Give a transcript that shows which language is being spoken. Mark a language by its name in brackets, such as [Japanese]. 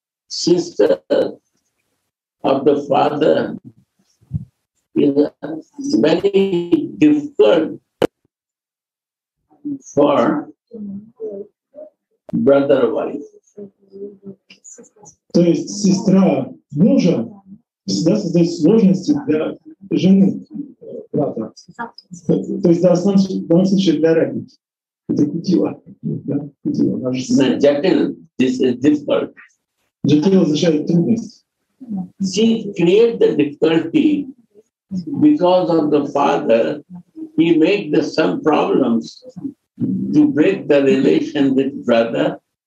[English] Sister of the father is very difficult for brother wife. [Russian] То есть сестра мужа всегда создает сложности для жены брата. То есть в данном случае для Радхики. Это кутила. [English] Джатил, this is difficult. [Russian] Джатил означает трудность. [English] She created the difficulty because of the father. He made the some problems to break the relation with brother.